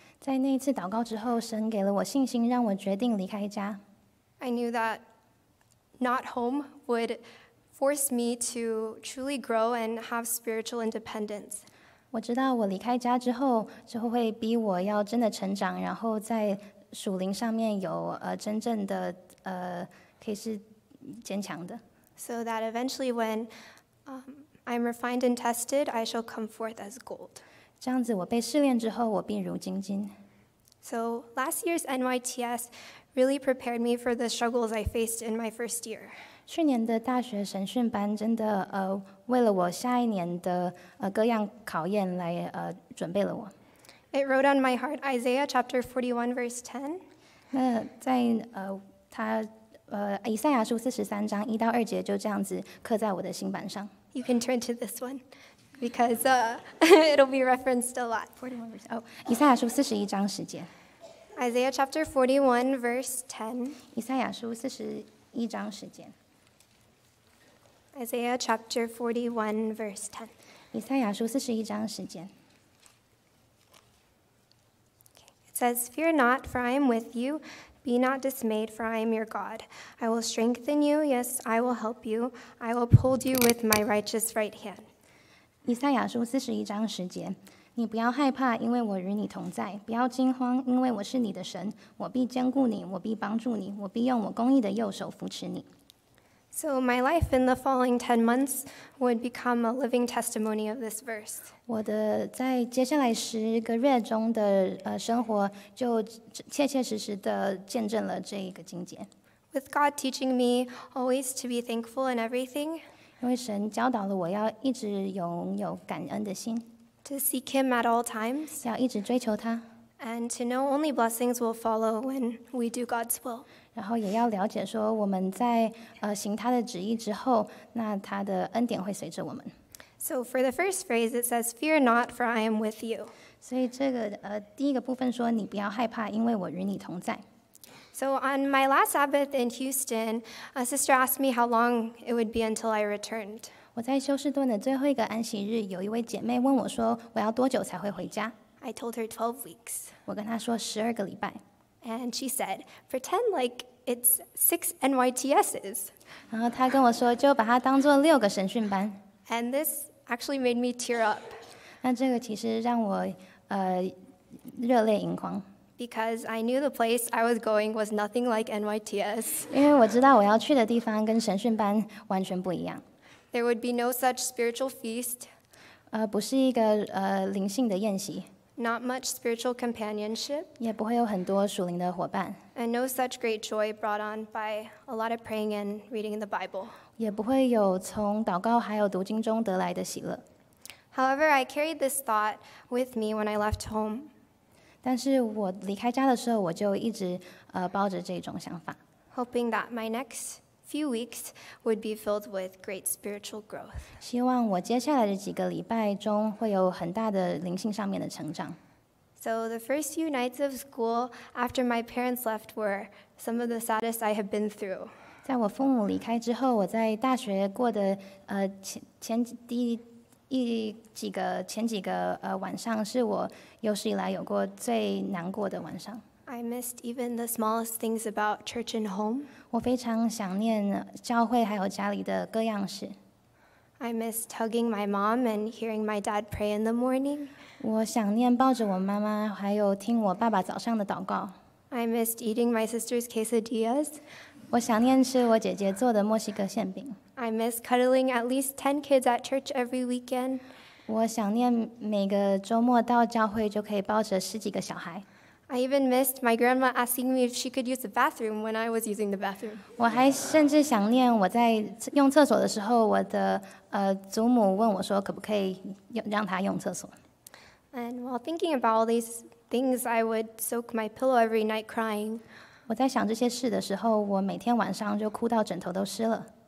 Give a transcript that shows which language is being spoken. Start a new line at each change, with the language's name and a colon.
Chinese: 在那一次祷告之后，神给了我信心，让我决定离开家。
English: I knew that not home would force me to truly grow and have spiritual independence.
Chinese: 我知道我离开家之后，就会逼我要真的成长，然后在属灵上面有真正的可以是坚强的。
English: So that eventually when I'm refined and tested, I shall come forth as gold.
Chinese: 这样子我被试炼之后，我必如金金。
English: So last year's NYTS really prepared me for the struggles I faced in my first year.
Chinese: 去年的大学神训班真的为了我下一年的各样考验来准备了我。
English: It wrote on my heart Isaiah chapter 41 verse 10.
Chinese: 那在以赛亚书四十三章一到二节就这样子刻在我的心板上。
English: You can turn to this one because it'll be referenced a lot. 41 verse
Chinese: 以赛亚书四十一章十节。
English: Isaiah chapter 41 verse 10.
Chinese: 以赛亚书四十一章十节。
English: Isaiah chapter 41 verse 10.
Chinese: 以赛亚书四十一章十节。
English: It says, "Fear not, for I am with you. Be not dismayed, for I am your God. I will strengthen you. Yes, I will help you. I will uphold you with my righteous right hand."
Chinese: 以赛亚书41:10，你不要害怕，因为我与你同在；不要惊慌，因为我是你的神。我必坚固你，我必帮助你，我必用我公义的右手扶持你。
English: So my life in the following 10 months would become a living testimony of this verse.
Chinese: 我的在接下来十个月中的生活就切切实实的见证了这一个经节。
English: With God teaching me always to be thankful in everything.
Chinese: 因为神教导了我要一直拥有感恩的心。
English: To seek Him at all times.
Chinese: 要一直追求他。
English: And to know only blessings will follow when we do God's will.
Chinese: 然后也要了解说我们在行他的旨意之后，那他的恩典会随着我们。
English: So for the first phrase, it says, "Fear not, for I am with you."
Chinese: 所以这个第一个部分说，你不要害怕，因为我与你同在。
English: So on my last Sabbath in Houston, a sister asked me how long it would be until I returned.
Chinese: 我在休斯顿的最后一个安息日，有一位姐妹问我说，我要多久才会回家？
English: I told her 12 weeks.
Chinese: 我跟她说12个礼拜。
English: And she said, "Pretend like it's 6 NYTSs."
Chinese: 然后她跟我说，就把它当作6个神训班。
English: And this actually made me tear up.
Chinese: 那这个其实让我热泪盈眶。
English: Because I knew the place I was going was nothing like NYTS.
Chinese: 因为我知道我要去的地方跟神训班完全不一样。
English: There would be no such spiritual feast.
Chinese: 不是一个灵性的宴席。
English: Not much spiritual companionship,
Chinese: 也不会有很多属灵的伙伴。
English: And no such great joy brought on by a lot of praying and reading the Bible.
Chinese: 也不会有从祷告还有读经中得来的喜乐。
English: However, I carried this thought with me when I left home.
Chinese: 但是我离开家的时候，我就一直抱着这种想法。
English: Hoping that my next few weeks would be filled with great spiritual growth.
Chinese: 希望我接下来的几个礼拜中会有很大的灵性上面的成长。
English: So the first few nights of school after my parents left were some of the saddest I have been through.
Chinese: 在我父母离开之后，我在大学过的前几个晚上是我有史以来有过最难过的晚上。
English: I missed even the smallest things about church and home.
Chinese: 我非常想念教会还有家里的各样事。
English: I missed hugging my mom and hearing my dad pray in the morning.
Chinese: 我想念抱着我妈妈还有听我爸爸早上的祷告。
English: I missed eating my sister's quesadillas.
Chinese: 我想念吃我姐姐做的墨西哥馅饼。
English: I missed cuddling at least 10 kids at church every weekend.
Chinese: 我想念每个周末到教会就可以抱着十几个小孩。
English: I even missed my grandma asking me if she could use the bathroom when I was using the bathroom.
Chinese: 我还甚至想念我在用厕所的时候，我的祖母问我说可不可以让她用厕所。
English: And while thinking about all these things, I would soak my pillow every night crying.
Chinese: 我在想这些事的时候，我每天晚上就哭到枕头都湿了。